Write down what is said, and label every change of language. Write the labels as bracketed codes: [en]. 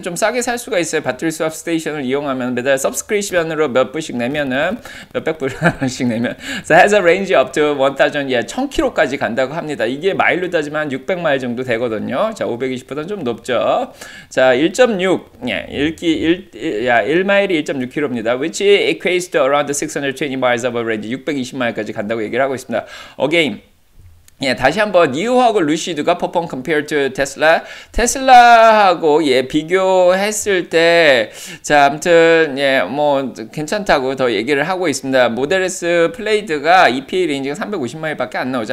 [ko] 좀 싸게 살 수가 있어요. 배터리 스왑 스테이션을 이용하면 매달 서브스크립션으로 몇 불씩 내면은 몇백 불씩 내면 [en] so has a range up to 1000, [ko] 예, 1000km까지 간다고 합니다. 이게 마일로 따지면 600마일 정도 되거든요. 자, 520보다는 좀 높죠. 자, 1.6, 예, 1마일이 1.6km입니다. [en] Which equates to around 620 miles of a range. [ko] 620마일까지 간다고 얘기를 하고 있습니다. Again. 예, 다시 한번 니오하고 루시드가 퍼폼 [en] compared to [ko] 테슬라. 테슬라하고 예, 비교했을 때 자, 아무튼 예, 뭐 괜찮다고 더 얘기를 하고 있습니다. 모델 S 플레이드가 EPA 레인지가 350마일밖에 안 나오죠.